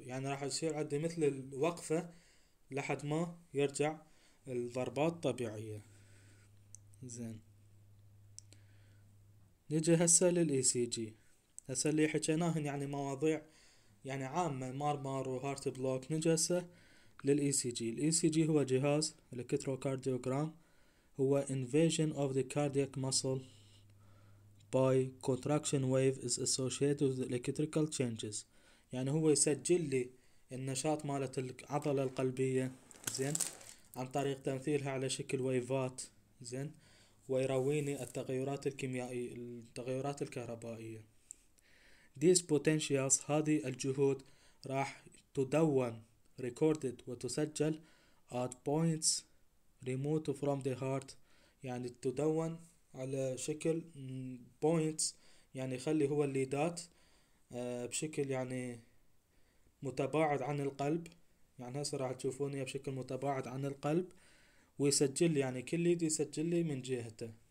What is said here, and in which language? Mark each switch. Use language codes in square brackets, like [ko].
[ar] يعني راح يصير عندي مثل الوقفة لحد ما يرجع الضربات الطبيعية. زين، نجي هسه للاي سي جي. هسه اللي حكيناهن يعني مواضيع يعني عامة، مارمار وهارت بلوك. نجي هسه للاي سي جي. الاي سي جي هو جهاز الكتروكارديوغرام، هو [en] invasion of the cardiac muscle by contraction wave is associated with electrical changes. [ar] يعني هو يسجل لي النشاط مالت العضلة القلبية، زين، عن طريق تمثيلها على شكل ويفات. زين، ويرويني التغيرات الكيميائية، التغيرات الكهربائية. [en] These potentials، [ar] هذه الجهود راح تدون recorded وتسجل [en] at points remote from the heart، [ar] يعني تدون على شكل points، يعني خلي هو الليدات بشكل يعني متباعد عن القلب، يعني هسه راح تشوفوني بشكل متباعد عن القلب، ويسجل لي يعني كل ليد يسجل لي من جهته.